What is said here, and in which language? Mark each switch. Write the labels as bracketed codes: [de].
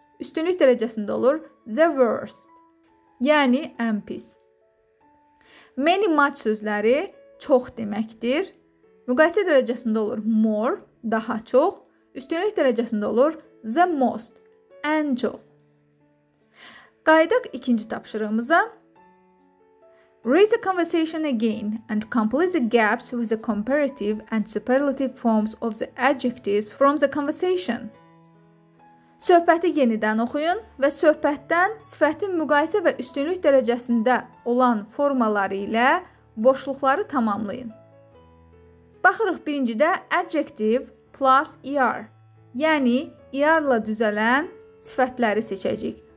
[az] Üstünlük dərəcəsində olur [en] the worst, [az] yəni ən pis. [en] Many much [az] sözləri çox deməkdir. Müqayisə dərəcəsində olur [en] more, [az] daha çox. Üstünlük dərəcəsində olur [en] the most, [az] ən çox. Qayıdaq ikinci tapşırığımıza. [en] Read the conversation again and complete the gaps with the comparative and superlative forms of the adjectives from the conversation. [az] Söhbəti yenidən oxuyun və söhbətdən sifətin müqayisə və üstünlük dərəcəsində olan formaları ilə boşluqları tamamlayın. Baxırıq birincidə [en] adjective plus er, [az] yəni ER-la düzələn sifətləri seçəcəyik.